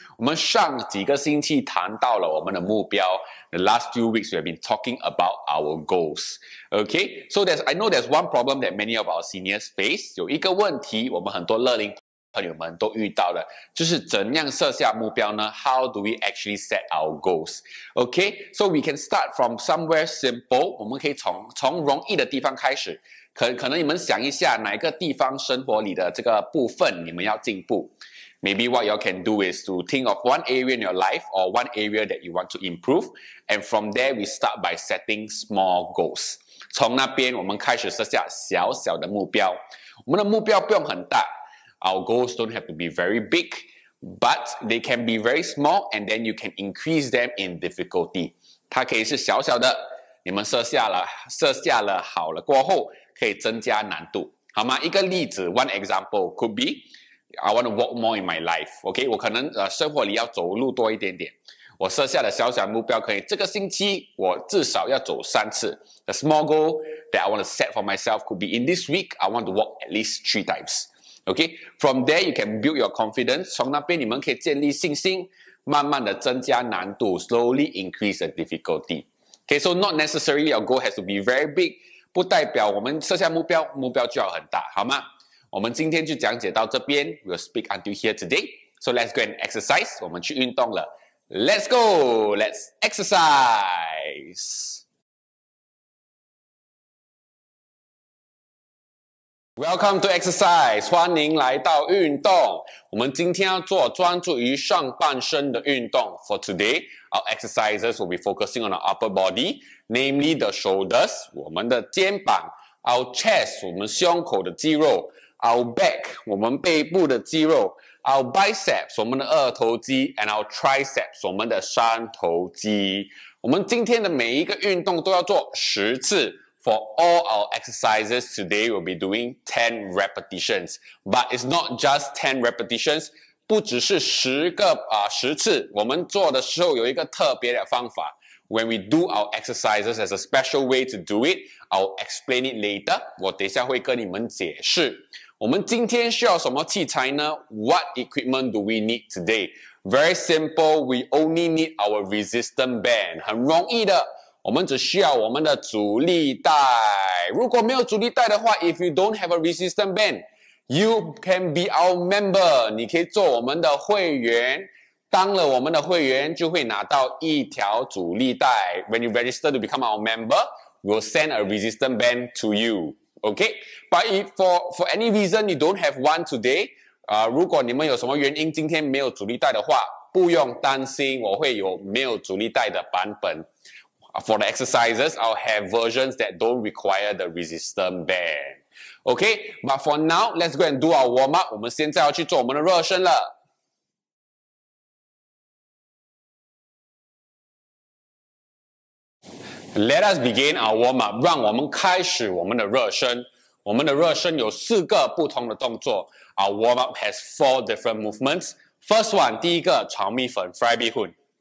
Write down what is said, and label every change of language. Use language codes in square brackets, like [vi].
[zh] 我们上几个星期谈到了我们的目标。 [en] The last few weeks we have been talking about our goals. Okay, so I know there's one problem that many of our seniors face. [zh] 有一个问题，我们很多乐龄朋友们都遇到了，就是怎样设下目标呢？ [en] How do we actually set our goals? Okay, so we can start from somewhere simple. [zh] 我们可以从容易的地方开始。可能你们想一下，哪一个地方生活里的这个部分你们要进步？ [en] Maybe what you can do is to think of one area in your life or one area that you want to improve. And from there, we start by setting small goals. [zh] 从那边我们开始设下小小的目标。我们的目标不用很大。 [en] Our goals don't have to be very big, but they can be very small, and then you can increase them in difficulty. [zh] 它可以是小小的，你们设下了好了过后，可以增加难度，好吗？一个例子 [en] ，one example could be, I want to walk more in my life. [zh] Okay, 我可能生活里要走路多一点点。我设下的小小目标可以，这个星期我至少要走三次。 [en] The small goal that I want to set for myself could be in this week, I want to walk at least 3 times. Okay, from there you can build your confidence. [zh] 从那边你们可以建立信心，慢慢的增加难度 [en] ，slowly increase the difficulty. Okay, so not necessarily your goal has to be very big. [zh] 不代表我们设下目标就要很大，好吗？我们今天就讲解到这边。 [en] We'll speak until here today. So let's go and exercise. [zh] 我们去运动了。 [en] Let's go. Let's exercise. Welcome to exercise, [zh] 欢迎来到运动。我们今天要做专注于上半身的运动。 [en] For today, our exercises will be focusing on our upper body, namely the shoulders, [zh] 我们的肩膀 [en] ,our chest, [zh] 我们胸口的肌肉 [en] ,our back, [zh] 我们背部的肌肉 [en] ,our biceps, [zh] 我们的二头肌 [en] ,and our triceps, [zh] 我们的三头肌。我们今天的每一个运动都要做10次。 [en] For all our exercises today, we'll be doing 10 repetitions. But it's not just 10 repetitions, [zh] 不只是10次。我们做的时候有一个特别的方法。 [en] When we do our exercises, there's a special way to do it. I'll explain it later. 我等一下会跟你们解释。 [zh] 我们今天需要什么器材呢？ [en] What equipment do we need today? Very simple, we only need our resistance band. [zh] 很容易的。我们只需要我们的阻力带。如果没有阻力带的话 [en] ,if you don't have a resistance band, you can be our member. [zh] 你可以做我们的会员。当了我们的会员就会拿到一条阻力带。 [en] When you register to become our member, we'll send a resistance band to you. [zh] Okay? [en] But if for any reason you don't have one today, [zh] 如果你们有什么原因今天没有阻力带的话不用担心我会有没有阻力带的版本。 [en] For the exercises, I'll have versions that don't require the resistance band. Okay, but for now, let's go and do our warm up. [zh] 我们现在要去做我们的热身了。 [en] Let us begin our warm up. [zh] 让我们开始我们的热身。我们的热身有四个不同的动作。 [en] Our warm up has 4 different movements. First one, [zh] 第一个炒米粉 [en] ,fry 米粉。